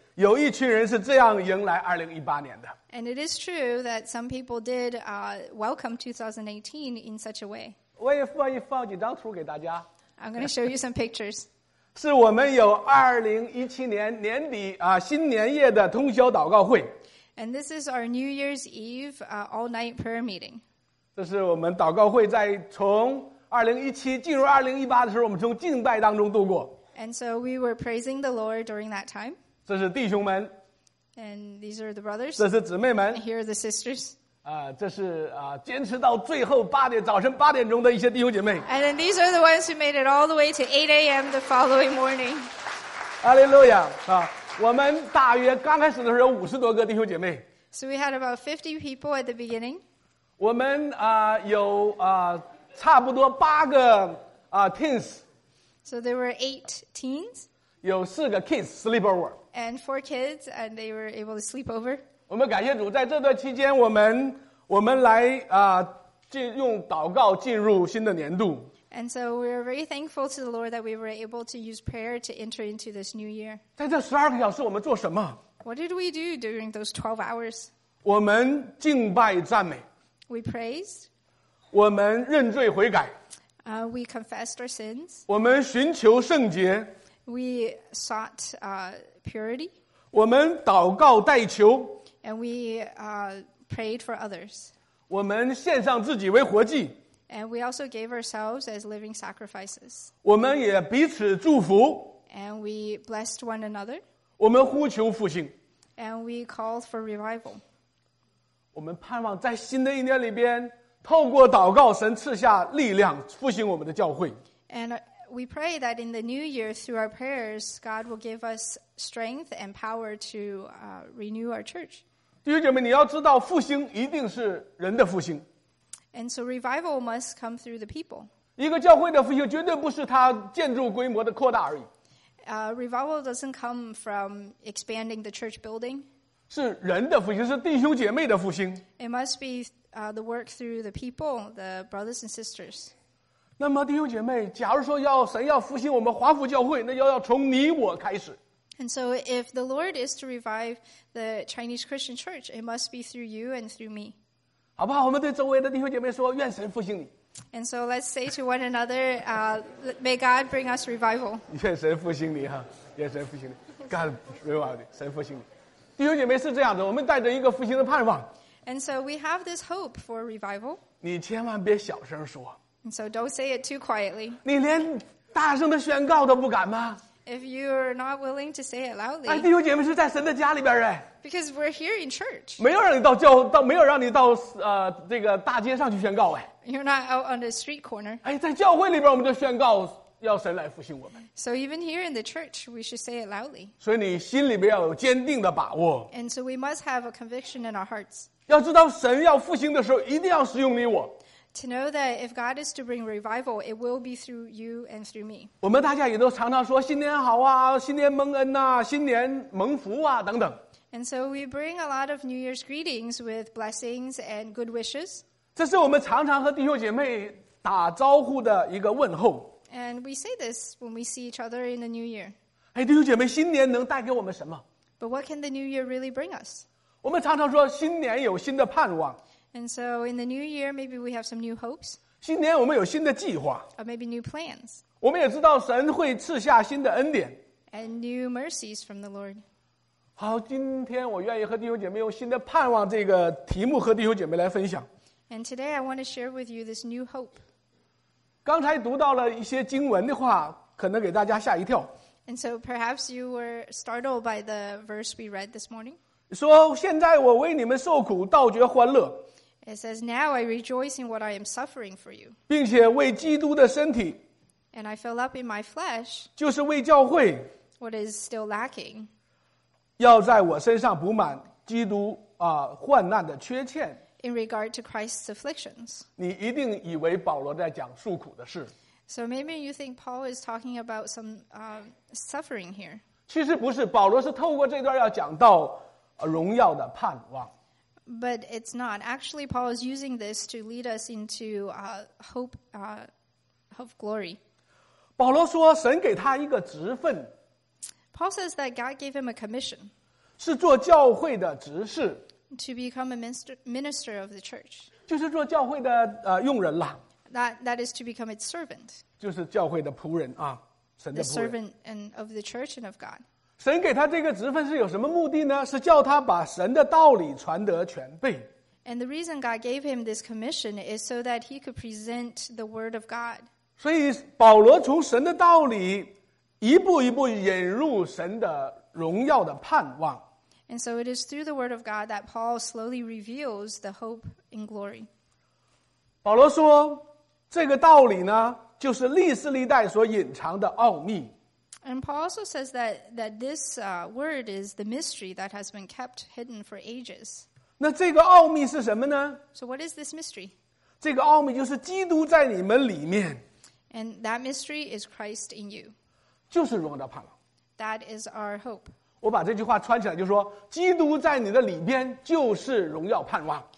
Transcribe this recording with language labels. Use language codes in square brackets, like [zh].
[zh] 有一群人是这样迎来2018年的。 [en] And it is true that some people did welcome 2018 in such a way. [zh] 我也放几张图给大家。 [en] I'm going to show you some pictures. [zh] 是我们有2017年年底新年夜的通宵祷告会。 [en] And this is our New Year's Eve all-night prayer meeting. [zh] 这是我们祷告会在从2017进入2018的时候，我们从敬拜当中度过。 [en] And so we were praising the Lord during that time. [zh] 这是弟兄们 [en] ，and these are the brothers。 [zh] 这是姊妹们 [en] ，here are the sisters。 [zh] 这是坚持到最后八点早晨八点钟的一些弟兄姐妹。 [en] And then these are the ones who made it all the way to 8 a.m. the following morning。 [zh] 哈利路亚啊！我们大约刚开始的时候有50多个弟兄姐妹。 [en] So we had about 50 people at the beginning。 [zh] 我们有差不多八个teens。 [en] So there were 8 teens。 [zh] 有四个 [en] kids sleep over。 And 4 kids, and they were able to sleep over. [zh] 我们感谢主，在这段期间，我们来用祷告进入新的年度。 [en] And so we are very thankful to the Lord that we were able to use prayer to enter into this new year. [zh] 在这十二个小时，我们做什么 [en] ？What did we do during those 12 hours? [zh] 我们敬拜赞美。 [en] We praised. [zh] 我们认罪悔改。 [en] We confessed our sins. [zh] 我们寻求圣洁。 [en] We sought purity. [zh] 我们祷告代求。 [en] And we prayed for others. [zh] 我们献上自己为活祭。 [en] And we also gave ourselves as living sacrifices. [zh] 我们也彼此祝福。 [en] And we blessed one another. [zh] 我们呼求复兴。 [en] And we called for revival. [zh] 我们盼望在新的一年里边，透过祷告，神赐下力量复兴我们的教会。 [en] And we pray that in the new year, through our prayers, God will give us strength and power to renew our church. [zh] 弟兄姐妹，你要知道，复兴一定是人的复兴。 [en] And so revival must come through the people. [zh] 一个教会的复兴绝对不是它建筑规模的扩大而已。 [en] Revival doesn't come from expanding the church building. [zh] 是人的复兴，是弟兄姐妹的复兴。 [en] It must be the work through the people, the brothers and sisters. [zh] 那么弟兄姐妹，假如说要神要复兴我们华府教会，那要从你我开始。 [en] And so if the Lord is to revive the Chinese Christian Church, it must be through you and through me. [zh] 好不好？我们对周围的弟兄姐妹说，愿神复兴你。 [en] And so let's say to one another, may God bring us revival. [zh] 愿神复兴你哈，愿神复兴你 ， [en] God revive you, [zh] 神复兴你。弟兄姐妹是这样的，我们带着一个复兴的盼望。 [en] And so we have this hope for revival. [zh] 你千万别小声说。 [en] And so don't say it too quietly. [zh] 你连大声的宣告都不敢吗 [en] ？If you're not willing to say it loudly. [zh] 哎，弟兄姐妹是在神的家里边哎。 [en] Because we're here in church. [zh] 没有让你到教到没有让你到这个大街上去宣告哎。 [en] You're not out on the street corner. [zh] 哎，在教会里边我们就宣告要神来复兴我们。 [en] So even here in the church, we should say it loudly. [zh] 所以你心里面要有坚定的把握。 [en] And so we must have a conviction in our hearts. [zh] 要知道神要复兴的时候，一定要使用你我。 [en] To know that if God is to bring revival, it will be through you and through me. [zh] 我们大家也都常常说新年好啊，新年蒙恩啊，新年蒙福啊，等等。 [en] And so we bring a lot of New Year's greetings with blessings and good wishes. [zh] 这是我们常常和弟兄姐妹打招呼的一个问候。 [en] And we say this when we see each other in the New Year. [zh] 哎，弟兄姐妹，新年能带给我们什么？ [en] But what can the New Year really bring us? [zh] 我们常常说新年有新的盼望。 [en] And so in the New Year, maybe we have some new hopes. [zh] 新年我们有新的计划。 [en] Or maybe new plans. [zh] 我们也知道神会赐下新的恩典。 [en] And new mercies from the Lord. [zh] 好，今天我愿意和弟兄姐妹用新的盼望这个题目和弟兄姐妹来分享。 [en] And today I want to share with you this new hope. [zh] 刚才读到了一些经文的话，可能给大家吓一跳。 [en] And so perhaps you were startled by the verse we read this morning. [zh] 说现在我为你们受苦，倒觉欢乐。 [en] It says, now I rejoice in what I am suffering for you. [zh] 并且为基督的身体。 [en] And I fill up in my flesh. [zh] 就是为教会。 [en] What is still lacking. [zh] 要在我身上补满基督患难的缺欠。 [en] In regard to Christ's afflictions. [zh] 你一定以为保罗在讲受苦的事。 [en] So maybe you think Paul is talking about some suffering here. [zh] 其实不是，保罗是透过这段要讲到荣耀的盼望。 [en] But it's not. Actually, Paul is using this to lead us into hope of glory. [zh] 保罗说神给他一个职分。 [en] Paul says that God gave him a commission. [zh] 是做教会的执事。 [en] To become a minister of the church. [zh] 就是做教会的用人了。 [en] That is to become its servant. [zh] 就是教会的仆人啊，神的仆人。 [en] The servant and of the church and of God. [zh] 神给他这个职分是有什么目的呢？是叫他把神的道理传得全备。 [en] And the reason God gave him this commission is so that he could present the word of God. [zh] 所以保罗从神的道理一步一步引入神的荣耀的盼望。 [en] And so it is through the word of God that Paul slowly reveals the hope in glory. [zh] 保罗说，这个道理呢，就是历世历代所隐藏的奥秘。 [en] And Paul also says that this word is the mystery that has been kept hidden for ages. [zh] 那这个奥秘是什么呢？ [en] So what is this mystery? [zh] 这个奥秘就是基督在你们里面。 [en] And that mystery is Christ in you. [zh] 就是荣耀的盼望。 [en] That is our hope. [zh] 我把这句话穿起来就说，基督在你的里边就是荣耀盼望。